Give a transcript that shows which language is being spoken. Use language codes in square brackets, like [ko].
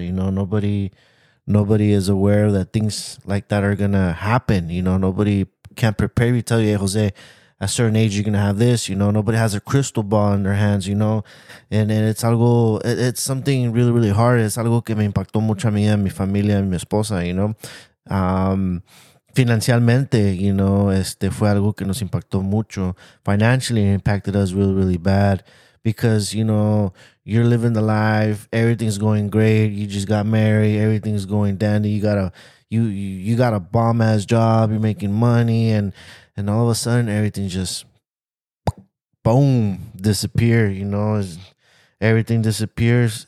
[en] You know, nobody is aware that things like that are gonna happen. You know, nobody can prepare you. Tell you, hey, Jose, at a certain age, you're gonna have this. You know, nobody has a crystal ball in their hands. You know, and it's algo. It's something really, really hard. [es] It's algo que me impactó mucho a mí, a mi familia, a mi esposa. [en] You know, [es] financialmente, you know, fue algo que nos impactó mucho. [en] Financially, it impacted us really, really bad because, you know, you're living the life. Everything's going great. You just got married. Everything's going dandy. You got a bomb ass job. You're making money. And all of a sudden, everything just boom, disappear, you know, everything disappears.